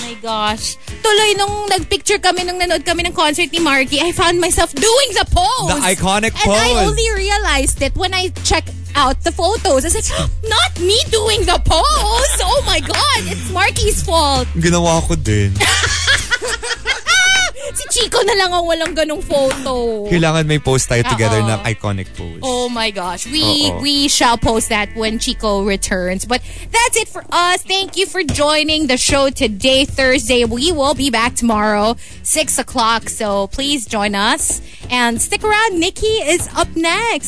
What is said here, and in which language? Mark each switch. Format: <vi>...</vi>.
<tl>My gosh. Tuloy nung nag-picture kami, nung nanood kami ng concert ni Markki,</tl> <en>I found myself doing the pose. The iconic and pose. And I only realized it when I checked out the photos. I said, not me doing the pose. Oh my God, it's Marky's fault.</en> <tl>Ginawa ko din. Si Chico na lang ang walang ganong photo. Kailangan may post tayo together na iconic pose.</tl> <en>Oh my gosh. We shall post that when Chico returns. But that's it for us. Thank you for joining the show today, Thursday. We will be back tomorrow, 6 o'clock. So please join us. And stick around. Nikki is up next.</en>